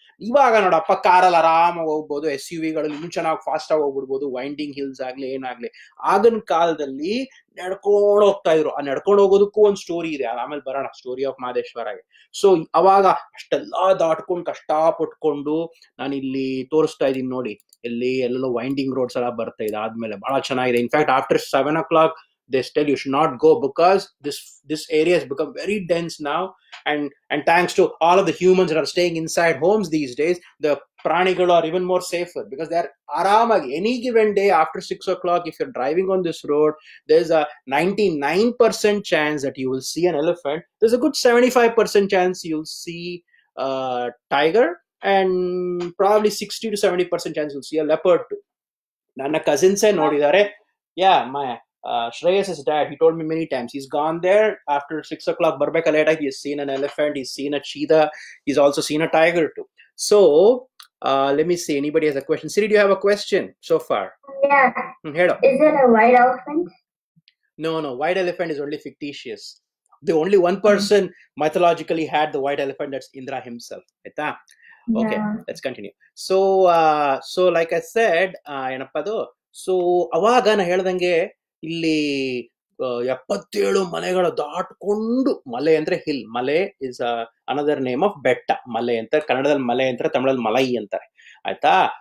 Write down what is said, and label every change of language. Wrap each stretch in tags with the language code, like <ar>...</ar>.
<kn>ಇವಾಗ ನೋಡ ಅಪ್ಪ, ಕಾರಲ್ಲಿ ಆರಾಮಾಗಿ ಹೋಗ್ಬೋದು, ಎಸ್ ಯು ವಿಗಳಲ್ಲಿ ಇನ್ನೂ ಚೆನ್ನಾಗಿ ಫಾಸ್ಟ್ ಆಗಿ ಹೋಗ್ಬಿಡ್ಬೋದು, ವೈಂಡಿಂಗ್ ಹಿಲ್ಸ್ ಆಗ್ಲಿ ಏನಾಗ್ಲಿ. ಆಗಿನ ಕಾಲದಲ್ಲಿ ನಡ್ಕೊಂಡು ಹೋಗ್ತಾ ಇದ್ರು. ಆ ನಡ್ಕೊಂಡು ಹೋಗೋದಕ್ಕೂ ಒಂದು ಸ್ಟೋರಿ ಇದೆ, ಆಮೇಲೆ ಬರೋಣ ಸ್ಟೋರಿ ಆಫ್ ಮಾದೇಶ್ವರಗೆ. ಸೊ ಅವಾಗ ಅಷ್ಟೆಲ್ಲ ದಾಟ್ಕೊಂಡು ಕಷ್ಟ ಪಟ್ಕೊಂಡು ನಾನು ಇಲ್ಲಿ ತೋರಿಸ್ತಾ ಇದ್ದೀನಿ ನೋಡಿ, ಇಲ್ಲಿ ಎಲ್ಲೆಲ್ಲೋ ವೈಂಡಿಂಗ್ ರೋಡ್ಸ್ ಎಲ್ಲ ಬರ್ತಾ ಇದೆ, ಆದ್ಮೇಲೆ ಭಾಳ ಚೆನ್ನಾಗಿದೆ.</kn> <en>In fact after 7 o'clock they tell you should not go because this area has become very dense now, and thanks to all of the humans that are staying inside homes these days, the pranigal are even more safer because they are aramagi. Any given day after 6 o'clock, if you're driving on this road, there's a 99% chance that you will see an elephant. There's a good 75% chance you'll see a tiger, and probably 60-70% chance you'll see a leopard too.</en> <kn>Nanna cousins ay nodidare.</kn> <en>Yeah, my Shreyas's dad, he told me many times, he's gone there after 6 o'clock, barbeka late, he has seen an elephant, he's seen a cheetah, he's also seen a tiger too. So let me see, anybody has a question? Siri, do you have a question so far? Yeah. Head up. Is it a white elephant? No, white elephant is only fictitious. The only one person mythologically had the white elephant, that's Indra himself. Aita? Okay, yeah. Let's continue. So like I said,</en> <kn>enappado, so avaga na helidange ಇಲ್ಲಿ 77 ಮಲೆಗಳು ದಾಟ್ಕೊಂಡು, ಮಲೆ ಅಂದ್ರೆ hill, Male is another name of ಬೆಟ್ಟ, ಮಲೆ ಅಂತ ಕನ್ನಡದಲ್ಲಿ ಮಲೆ ಅಂತಾರೆ, ತಮಿಳಲ್ಲಿ ಮಲೈ ಅಂತಾರೆ, ಆಯ್ತಾ.</kn>